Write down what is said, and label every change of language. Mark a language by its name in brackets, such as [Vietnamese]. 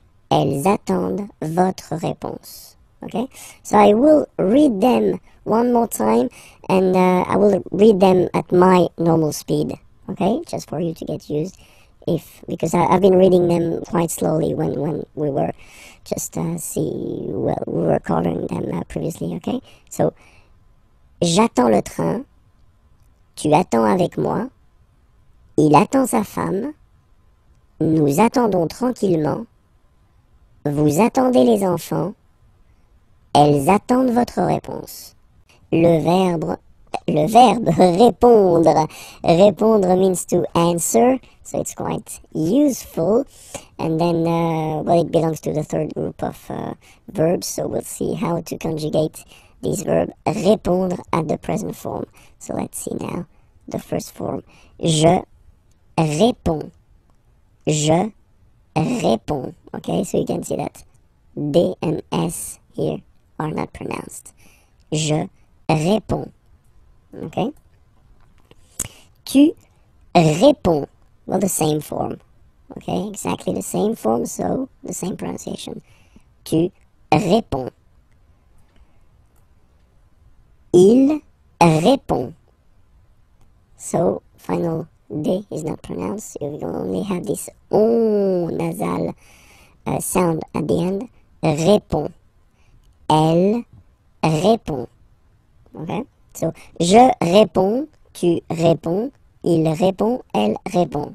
[French] Elles attendent votre réponse. [English] Okay? So I will read them one more time, and I will read them at my normal speed. Okay? Just for you to get used. Because I've been reading them quite slowly when we were just we were calling them previously. Okay? [French] So, j'attends le train, tu attends avec moi, il attend sa femme, nous attendons tranquillement, vous attendez les enfants, elles attendent votre réponse. Le verbe répondre. [English] Répondre means to answer, so it's quite useful. And then, well, it belongs to the third group of verbs, so we'll see how to conjugate this verb, répondre, at the present form. So let's see now the first form. [French] Je réponds. Je réponds. [English] Okay, so you can see that D and S here are not pronounced. [French] Je réponds. [English] Okay? [French] Tu réponds. [English] Well, the same form. Okay, exactly the same form, so the same pronunciation. [French] Tu réponds. Il répond. [English] So, final D is not pronounced. You will only have this O nasal sound at the end. [French] Répond. Elle répond. Okay? So, je réponds, tu réponds, il répond, elle répond.